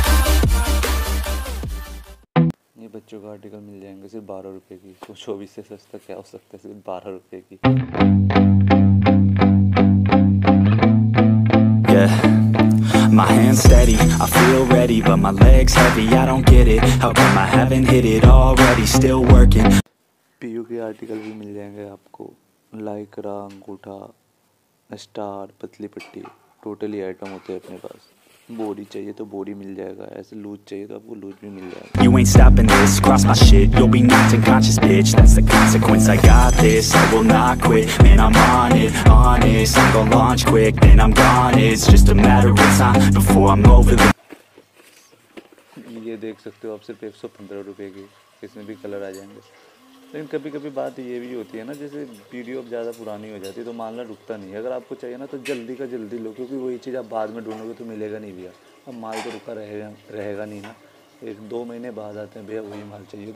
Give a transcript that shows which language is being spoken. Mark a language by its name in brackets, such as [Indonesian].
[Hindi] ये बच्चों का आर्टिकल मिल जाएंगे सिर्फ 12 रुपये की, तो 24 से सस्ता क्या हो सकता है, सिर्फ 12 रुपये की। [English] My hand's steady, I feel ready, but my leg's heavy, I don't get it, how come I haven't hit it already, still working. [Hindi] PU के आर्टिकल भी मिल जाएंगे आपको, लाइकरा, अंगूठा, स्टार, पतली पट्टी, टोटली आइटम होते हैं अपने पास। बोरी चाहिए तो बोरी मिल जाएगा, ऐसे लूज चाहिए तो आपको लूज भी मिल जाएगा। [English] You ain't stopping this, cross my shit, you'll be knocked unconscious, bitch, that's the consequence, I got this, I will not quit, man, I'm on it, honest, I'm gonna launch quick, then I'm gone, it's just a matter of time, before I'm over the... [Hindi] ये देख सकते हो आप सिर्फ 115 रुपए की, इसमें भी कलर आ जाएंगे। लेकिन कभी कभी बात ये भी होती है ना, जैसे वीडियो अब ज़्यादा पुरानी हो जाती है तो मालना रुकता नहीं है, अगर आपको चाहिए ना तो जल्दी का जल्दी लो, क्योंकि वही चीज़ आप बाद में ढूंढोगे तो मिलेगा नहीं भैया, अब माल तो रुका रहेगा नहीं ना, 1-2 महीने बाद आते हैं भैया वही माल चाहिए।